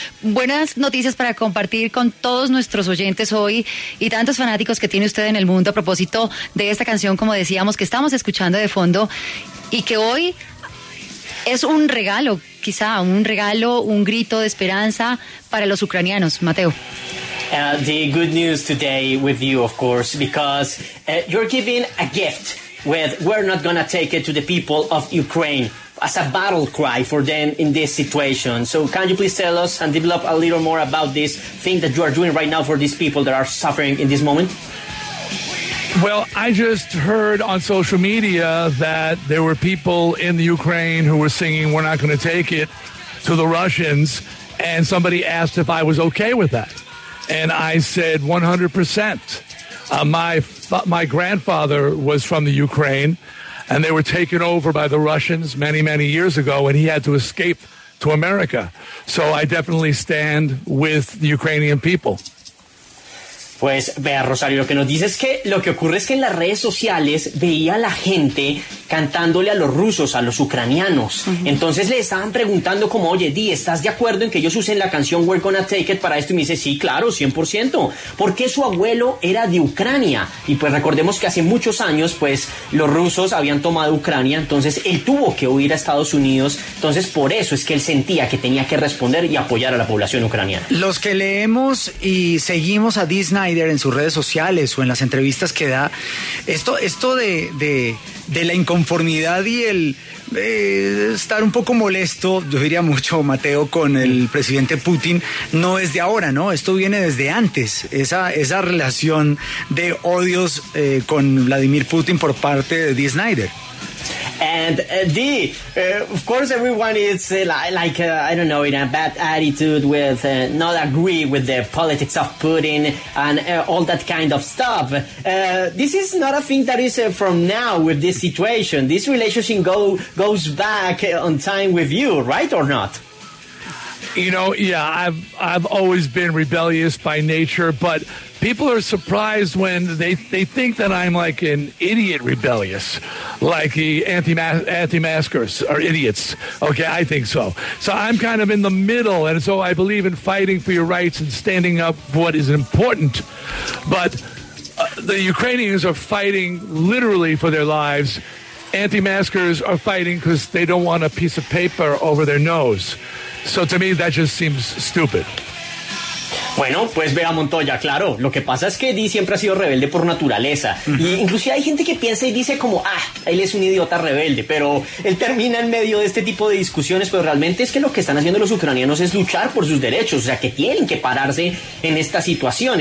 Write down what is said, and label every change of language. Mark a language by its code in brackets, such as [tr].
[es] Buenas noticias para compartir con todos nuestros oyentes hoy y tantos fanáticos que tiene usted en el mundo a propósito de esta canción, como decíamos, que estamos escuchando de fondo y que hoy es un regalo, quizá un regalo, un grito de esperanza para los ucranianos, Mateo. [en] The good news today with you, of course, because you're giving a gift with We're Not Gonna Take It to the people of Ukraine as a battle cry for them in this situation. So can you please tell us and develop a little more about this thing that you are doing right now for these people that are suffering in this moment? Well, I just heard on social media that there were people in the Ukraine who were singing We're Not Going to Take It to the Russians, and somebody asked if I was okay with that. And I said 100%. My grandfather was from the Ukraine, and they were taken over by the Russians many, many years ago, and he had to escape to America. So I definitely stand with the Ukrainian people. [es] Pues vea, Rosario, lo que nos dice es que lo que ocurre es que en las redes sociales veía a la gente cantándole a los rusos, a los ucranianos. Uh-huh. Entonces le estaban preguntando como, oye, Dee, ¿estás de acuerdo en que ellos usen la canción We're Gonna Take It para esto? Y me dice, sí, claro, 100%. Porque su abuelo era de Ucrania. Y pues recordemos que hace muchos años, pues, los rusos habían tomado Ucrania. Entonces él tuvo que huir a Estados Unidos. Entonces por eso es que él sentía que tenía que responder y apoyar a la población ucraniana. Los que leemos y seguimos a Dee Snider en sus redes sociales o en las entrevistas que da, esto de la inconformidad y el estar un poco molesto, yo diría mucho, Mateo, con el presidente Putin, no es de ahora, ¿no? Esto viene desde antes, esa relación de odios con Vladimir Putin por parte de Dee Snider. [en] And Dee, of course, everyone is in a bad attitude with not agree with the politics of Putin and all that kind of stuff. This is not a thing that is from now with this situation. This relationship goes back on time with you, right or not? You know, yeah, I've always been rebellious by nature, but people are surprised when they think that I'm like an idiot rebellious, like the anti-maskers are idiots. Okay, I think so. So I'm kind of in the middle, and so I believe in fighting for your rights and standing up for what is important. But the Ukrainians are fighting literally for their lives. Anti-maskers are fighting because they don't want a piece of paper over their nose. So to me, that just seems stupid. [es] Bueno, pues vea, Montoya, claro, lo que pasa es que Dee siempre ha sido rebelde por naturaleza. Uh-huh. Y inclusive hay gente que piensa y dice como, él es un idiota rebelde, pero él termina en medio de este tipo de discusiones, pero realmente es que lo que están haciendo los ucranianos es luchar por sus derechos, o sea, que tienen que pararse en esta situación.